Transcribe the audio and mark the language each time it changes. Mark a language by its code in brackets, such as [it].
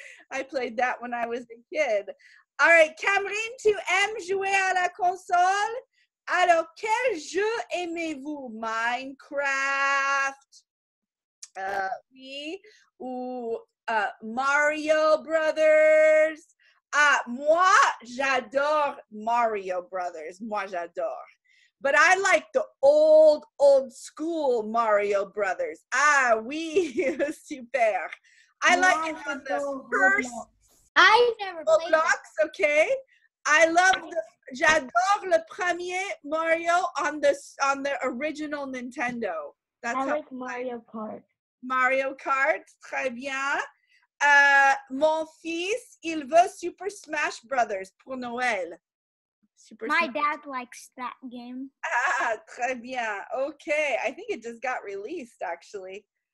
[en] I played that when I was a kid. All right, [fr] Camerine, tu aimes jouer à la console? Alors, quel jeu aimez-vous? Minecraft? Oui. Ou Mario Brothers? Ah, moi, j'adore Mario Brothers. Moi, j'adore. [en] But I like the old, old school Mario Brothers. [fr] Ah, oui, super. [en] I like it on the first. I never played Roblox, okay? I love [fr] j'adore le premier [en] Mario on the original Nintendo. That's I like Mario Kart. [fr] Mario Kart, très bien. Mon fils, il veut Super Smash Brothers pour Noël. [en] Dad likes that game. [fr] Ah, très bien. [en] Okay, I think it just got released, actually.